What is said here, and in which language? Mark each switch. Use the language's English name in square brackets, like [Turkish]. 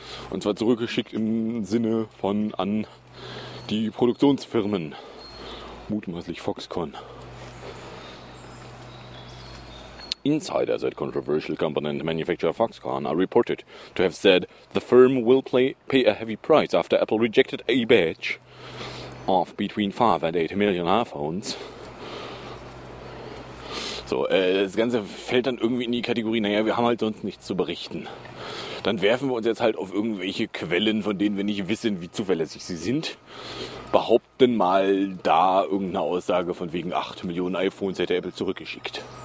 [German] Und zwar zurückgeschickt im Sinne von an die Produktionsfirmen. Mutmaßlich Foxconn. [English] Insiders at controversial component manufacturer Foxconn are reported to have said the firm will pay a heavy price after Apple rejected a batch of between 5 and 8 million iPhones. [German] So, das Ganze fällt dann irgendwie in die Kategorie, naja, wir haben halt sonst nichts zu berichten. Dann werfen wir uns jetzt halt auf irgendwelche Quellen, von denen wir nicht wissen, wie zuverlässig sie sind. Behaupten mal da irgendeine Aussage von wegen 8 Millionen iPhones hätte Apple zurückgeschickt.